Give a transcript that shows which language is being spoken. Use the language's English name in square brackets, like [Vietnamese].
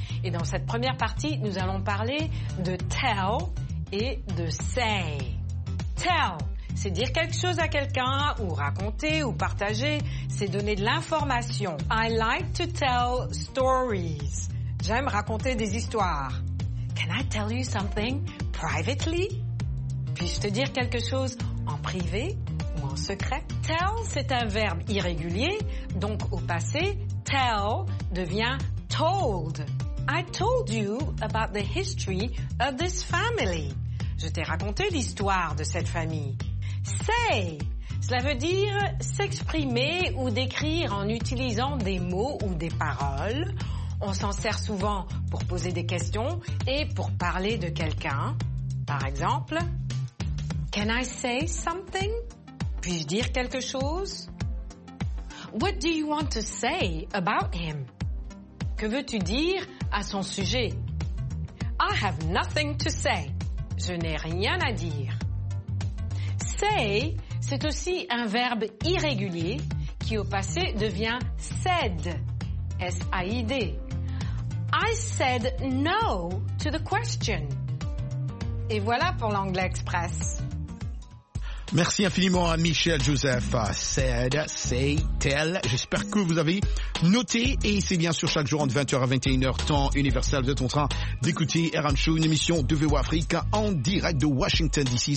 [French] Et dans cette première partie, nous allons parler de tell et de say. Tell, c'est dire quelque chose à quelqu'un, ou raconter, ou partager. C'est donner de l'information. [English] I like to tell stories. [French] J'aime raconter des histoires. [English] Can I tell you something privately? [French] Puis-je te dire quelque chose en privé ou en secret? Tell, c'est un verbe irrégulier, donc au passé, tell devient told. [English] I told you about the history of this family. [French] Je t'ai raconté l'histoire de cette famille. Say, cela veut dire s'exprimer ou décrire en utilisant des mots ou des paroles. On s'en sert souvent pour poser des questions et pour parler de quelqu'un. Par exemple, [English] can I say something? [French] Puis-je dire quelque chose? [English] What do you want to say about him? [French] Que veux-tu dire à son sujet? [English] I have nothing to say. [French] Je n'ai rien à dire. Say, c'est aussi un verbe irrégulier qui au passé devient said, S-A-I-D. [English] I said no to the question. [French] Et voilà pour l'anglais express. Merci infiniment à Michel Joseph, said, say, tell. J'espère que vous avez noté. Et c'est bien sûr chaque jour entre 20h à 21h, temps universel. Vous êtes en train d'écouter RM Show, une émission de VO Afrique en direct de Washington DC.